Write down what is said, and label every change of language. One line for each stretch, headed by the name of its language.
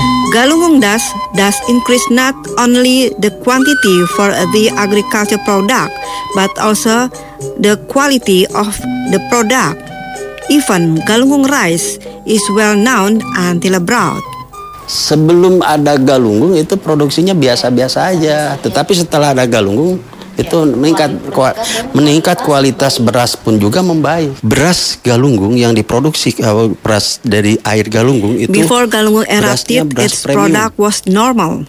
English: Galunggung dust does increase not only the quantity for the agriculture product, but also the quality of the product. Even galunggung rice is well known until abroad.
Indonesian: Sebelum ada galunggung itu produksinya biasa-biasa aja, tetapi setelah ada galunggung itu meningkat kualitas beras pun juga membaik. Beras galunggung yang diproduksi beras dari air galunggung itu,
English: before galunggung erupted, its premium product was normal.